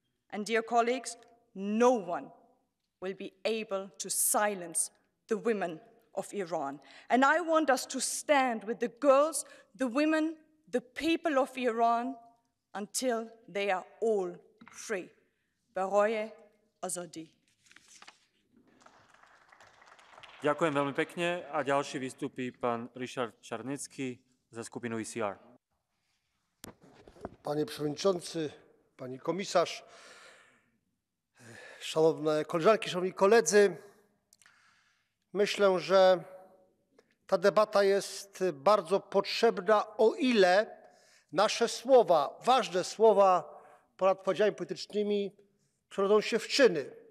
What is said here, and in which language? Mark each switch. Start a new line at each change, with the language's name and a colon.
English: And dear colleagues, no one will be able to silence the women of Iran. And I want us to stand with the girls, the women, the people of Iran until they are all free.
Persian: Baroye Azadi.
Slovak: Ďakujem veľmi pekne a ďalší vystúpi pán Richard Czarnecki za skupinu ECR.
Polish: Panie przewodniczący, pani komisarz, szanowne koleżanki, szanowni koledzy, myślę, że ta debata jest bardzo potrzebna, o ile nasze słowa, ważne słowa ponad podziałami politycznymi, przerodzą się w czyny.